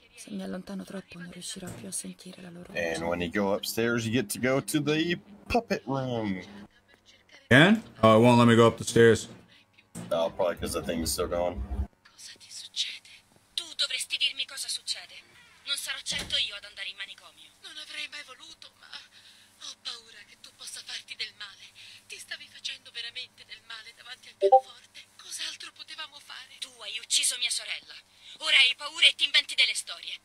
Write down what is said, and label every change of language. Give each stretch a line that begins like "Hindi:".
Italian: mi allontano troppo, non riuscirò più a sentire la loro voce.
English: And when you go upstairs, you get to go to the puppet room. Can? Oh, it won't let me go up the stairs. No, probably because the thing is still going.
Italian: Cosa ti succede? Tu dovresti dirmi cosa succede. Non sarò certo io ad andare in manicomio. Non avrei mai voluto, ma ho paura che tu possa farti del male. Ti stavi facendo veramente del male davanti al pianoforte. Cos'altro potevamo fare? Tu hai ucciso mia sorella. Ora hai paura e ti inventi delle storie.